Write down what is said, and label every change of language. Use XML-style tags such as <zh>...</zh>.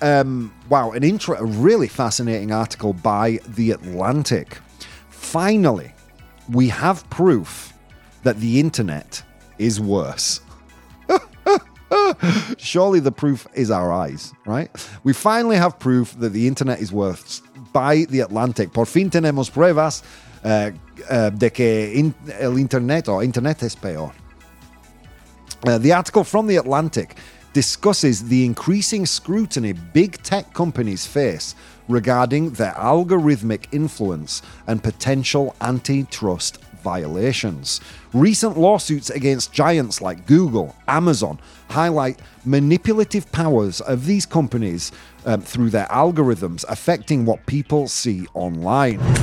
<en>Wow, a really fascinating article by The Atlantic. Finally, we have proof that the internet is worse. Surely the proof is our eyes, right? We finally have proof that the internet is worse. By The Atlantic.</en> <es>Por fin tenemos pruebas de que el internet o internet es peor.</es> <en>The article from The Atlantic discusses the increasing scrutiny big tech companies face regarding their algorithmic influence and potential antitrust violations. Recent lawsuits against giants like Google, Amazon, highlight manipulative powers of these companies through their algorithms, affecting what people see online.</en>